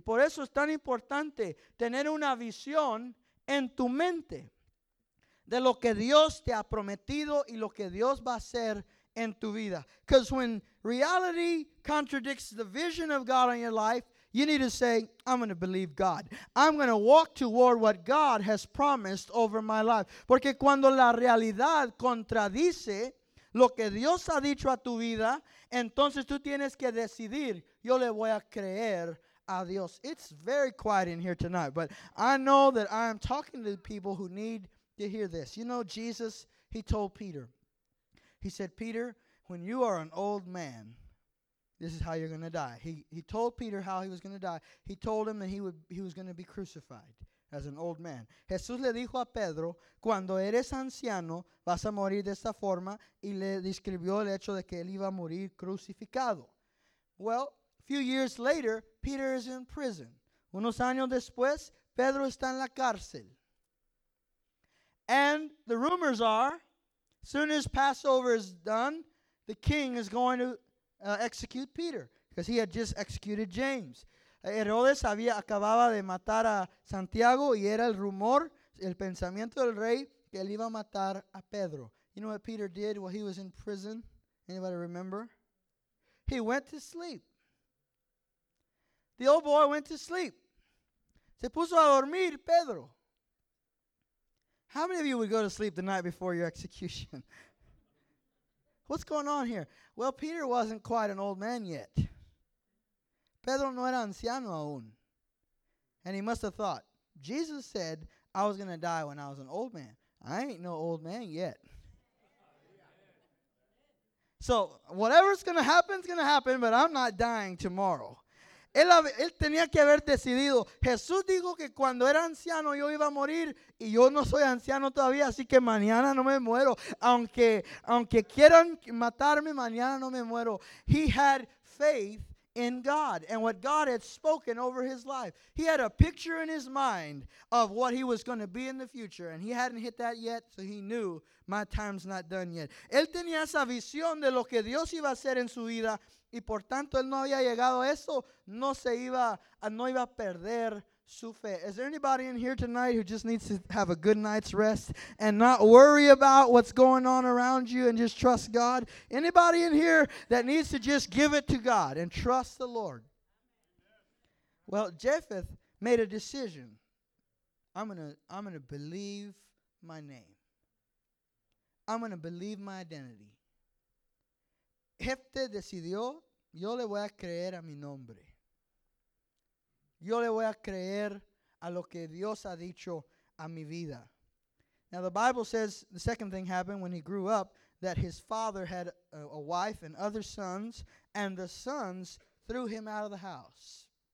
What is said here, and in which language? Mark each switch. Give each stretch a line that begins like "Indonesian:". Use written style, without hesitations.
Spanish: Por eso es tan importante tener una visión en tu mente de lo que Dios te ha prometido y lo que Dios va a hacer en tu vida.
English: Because when reality contradicts the vision of God on your life, You need to say, I'm going to believe God. I'm going to walk toward what God has promised over my life.
Spanish: Porque cuando la realidad contradice lo que Dios ha dicho a tu vida, entonces tú tienes que decidir, yo le voy a creer a Dios.
English: It's very quiet in here tonight, but I know that I am talking to people who need to hear this. You know, Jesus, he told Peter. He said, Peter, when you are an old man, this is how you're going to die. He told Peter how he was going to die. He told him that he was going to be crucified as an old man.
Spanish: Jesús le dijo a Pedro, cuando eres anciano, vas a morir de esta forma, y le describió el hecho de que él iba a morir crucificado.
English: Well, a few years later, Peter is in prison.
Spanish: Unos años después, Pedro está en la cárcel.
English: And the rumors are, soon as Passover is done, the king is going to execute Peter, because he had just executed James.
Spanish: Herodes había acababa de matar a Santiago, y era el rumor, el pensamiento del rey, que él iba a matar a Pedro.
English: You know what Peter did while he was in prison? Anybody remember? He went to sleep. The old boy went to sleep.
Spanish: Se puso a dormir, Pedro.
English: How many of you would go to sleep the night before your execution? What's going on here? Well, Peter wasn't quite an old man yet.
Spanish: Pedro no era anciano aún.
English: And he must have thought, Jesus said I was going to die when I was an old man. I ain't no old man yet. So whatever's going to happen is going to happen, but I'm not dying tomorrow.
Spanish: Él tenía que haber decidido. Jesús dijo que cuando era anciano yo iba a morir, y yo no soy anciano todavía, así que mañana no me muero. Aunque quieran matarme, mañana no me muero.
English: He had faith in God and what God had spoken over his life. He had a picture in his mind of what he was going to be in the future, and he hadn't hit that yet, so he knew my time's not done yet.
Spanish: Él tenía esa visión de lo que Dios iba a hacer en su vida, y por tanto él no había llegado a eso, no iba a perder su fe.
English: Is there anybody in here tonight who just needs to have a good night's rest and not worry about what's going on around you and just trust God? Anybody in here that needs to just give it to God and trust the Lord? Well, Jephthah made a decision. I'm gonna believe my name. I'm gonna believe my identity.
Spanish: Jephthah decidió, yo le voy a creer a mi nombre. Yo le voy a creer a lo que Dios ha dicho a mi vida.
English: Now the Bible says the second thing happened when he grew up, that his father had a wife and other sons, and the sons threw him out of the house.